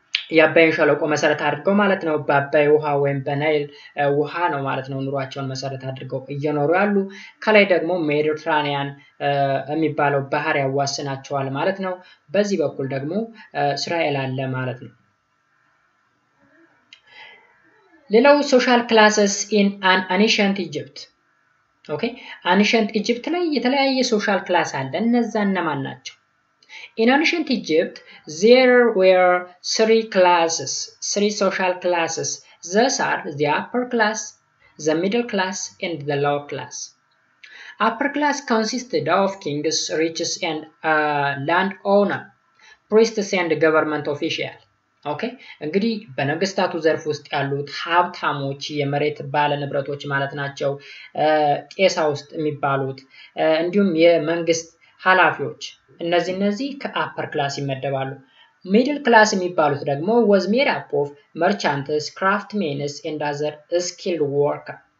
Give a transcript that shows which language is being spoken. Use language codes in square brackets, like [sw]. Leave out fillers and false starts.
[am] የአባይን ሸለቆ መሰረት አድርገው ማለት ነው። በአባይ ውሃ ወይም በናይል ውሃ ነው ማለት ነው ኑሯቸውን መሰረት አድርገው እየኖሩ ያሉ። ከላይ ደግሞ ሜዲትራኒያን የሚባለው ባህር ያዋስናቸዋል ማለት ነው። በዚህ በኩል ደግሞ እስራኤል አለ ማለት ነው። ሌላው [en] ሶሻል ክላስስ ኢን አን አንሸንት ኢጅፕት። [am] ኦኬ አንሸንት ኢጅፕት ላይ የተለያየ ሶሻል ክላስ አለ። እነዛ እነማን ናቸው? [en] In ancient Egypt, there were three social classes. Those are the upper class, the middle class, and the lower class. Upper class consisted of kings, riches, and landowners, priests, and government officials. [am] ኦኬ እንግዲህ በነገስታቱ ዘርፍ ውስጥ ያሉት ሀብታሞች የመሬት ባለ ንብረቶች ማለት ናቸው። ቄሳ ውስጥ የሚባሉት እንዲሁም የመንግስት ሐላፊዎች እነዚህ ከአፐር ክላስ ይመደባሉ። ሚድል ክላስ የሚባሉት ደግሞ [en] was made up of merchants, craftsmen and other skilled worker.